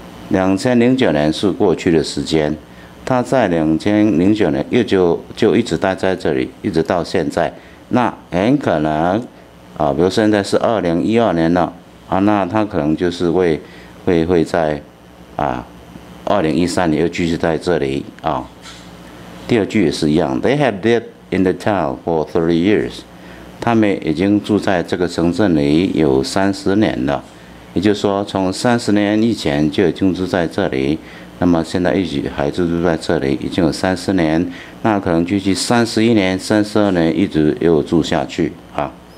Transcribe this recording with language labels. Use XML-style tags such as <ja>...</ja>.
<zh>2009年是过去的时间，她在2009年就一直待在这里，一直到现在。那很可能，比如现在是2012年了，那她可能就是会在2013年又继续在这里啊。第二句也是一样</zh> <en>，They have lived in the town for 30 years.</en> <zh>他们已经住在这个城镇里有30年了，也就是说，从30年以前就已经住在这里，那么现在一直还是住在这里，已经有30年，那可能继续31年、32年一直又住下去啊。</zh>